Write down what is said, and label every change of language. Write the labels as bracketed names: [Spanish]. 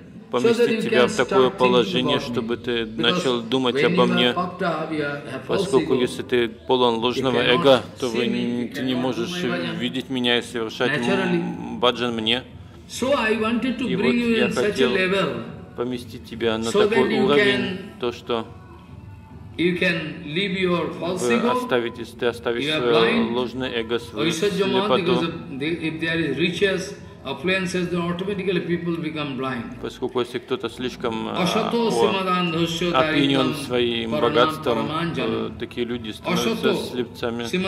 [Russian] поместить тебя в такое положение, чтобы ты начал думать обо мне, поскольку если ты полон ложного эго, то ты не можешь видеть меня и совершать баджан мне. И вот я хотел поместить тебя на такой уровень, то что [English] You can leave your false ego. [Russian] Оставить ложное эго, слепоту. [English] If there is riches, affluences, then automatically people become blind. [Russian] Поскольку если кто-то слишком опьянен своим богатством, такие люди становятся слепцами.